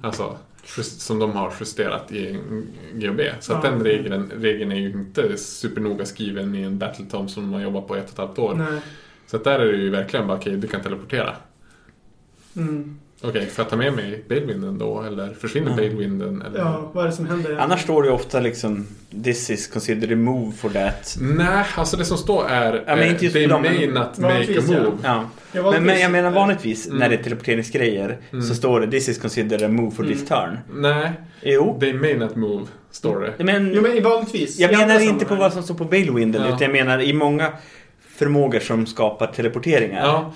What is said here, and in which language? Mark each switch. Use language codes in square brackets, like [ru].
[sv] Alltså, som de har justerat i GHB. Så att den regeln är ju inte supernoga skriven i en Battletome som man jobbar på 1,5 år. Nej. Så att där är det ju verkligen bara, okej, du kan teleportera. Mm. Okej, får jag ta med mig Balewinden då? Eller försvinner Balewinden? Eller? Ja, vad är det som händer? Annars står det ju ofta liksom, [en] this is considered a move for that. [sv] Nej, alltså det som står är, [en] they may not make a move. [sv] Ja. Men jag menar vanligtvis, när det är teleporteringsgrejer, så står det, [en] this is considered a move for this turn. [sv] Nej, jo. [en] They may not move. [sv] Står det. Men vanligtvis. Jag menar inte på vad som står på Balewinden, utan jag menar i många förmågor som skapar teleporteringar.